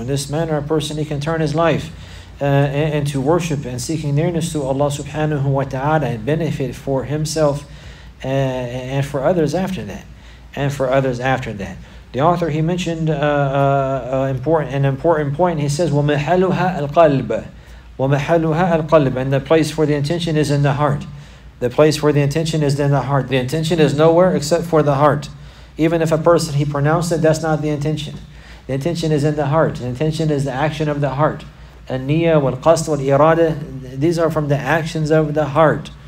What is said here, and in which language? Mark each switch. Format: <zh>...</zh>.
<en>In this manner, a person, he can turn his life into worship and seeking nearness to Allah subhanahu wa ta'ala, and benefit for himself and for others after that. And for others after that. The author, he mentioned an important point. He says,</en> <ar>وَمَحَلُهَا الْقَلْبَ وَمَحَلُهَا الْقَلْبَ.</ar> <en>And the place for the intention is in the heart. The place for the intention is in the heart. The intention is nowhere except for the heart. Even if a person, he pronounced it, that's not the intention. The intention is in the heart. The intention is the action of the heart.</en> <ar>النية والقصد والإرادة,</ar> <en>these are from the actions of the heart.</en>